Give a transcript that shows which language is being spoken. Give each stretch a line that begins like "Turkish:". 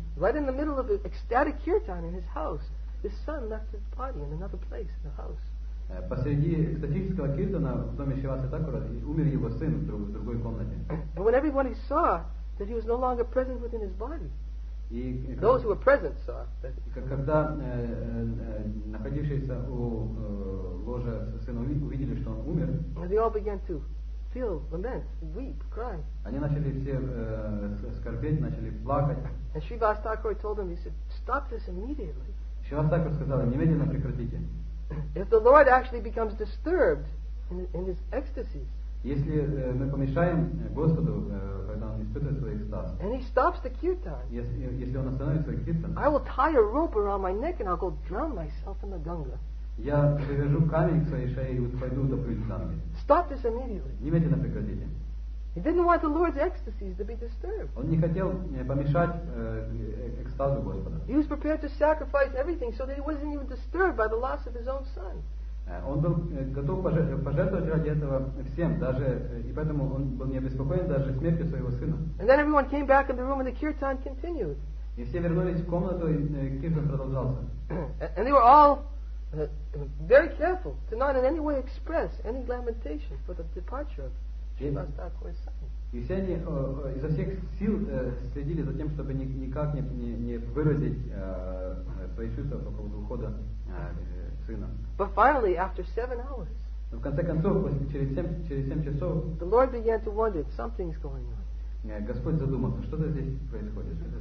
English: Right in the middle of the ecstatic kirtan in his house, his son left his body in another place in the house.
Russian: Посреди экстатического киртана в доме Шиваса Такура умер его сын в другой комнате.
English: But when everybody saw that he was no longer present within his body. Those who were present saw that.
Russian: Когда находившиеся у ложа сына увидели, что он умер,
English: they all began to feel, lament, weep, cry.
Russian: Они начали все скорбеть, начали плакать.
English: And Sri Vastakura told them, he said, stop this immediately.
Russian: Шри Вастакур сказал им, немедленно прекратите.
English: If the Lord actually becomes disturbed in his ecstasies.
Russian: Если мы помешаем Господу, когда он испытывает свой экстаз.
English: And he stops the kirtan.
Russian: Если он остановит свой кирtan.
English: I will tie a rope around my neck and I'll go drown myself in the Ganga.
Russian: Я привяжу камень к своей шее и вот пойду утоплюсь в Ганге.
English: Stop this immediately.
Russian: Немедленно прекратите.
English: He didn't want the Lord's ecstasies to be disturbed.
Russian: Он не хотел помешать экстазу Господа.
English: He was prepared to sacrifice everything so that he wasn't even disturbed by the loss of his own son.
Russian: Он был готов пожертвовать ради этого всем, даже и поэтому он был не обеспокоен даже смертью своего сына.
English: And then everyone came back in the room and the kirtan continued.
Russian: И все вернулись в комнату и kirtan продолжался.
English: And they were all very careful to not in any way express any lamentation for the departure of Sri Vastakura's son.
Russian: И все они изо всех сил следили за тем, чтобы никак не выразить свои чувства по поводу ухода сына.
English: But finally, after 7 hours,
Russian: в конце концов, через 7 часов,
English: the Lord began to wonder, something's going on.
Russian: Господь задумался, что-то здесь происходит.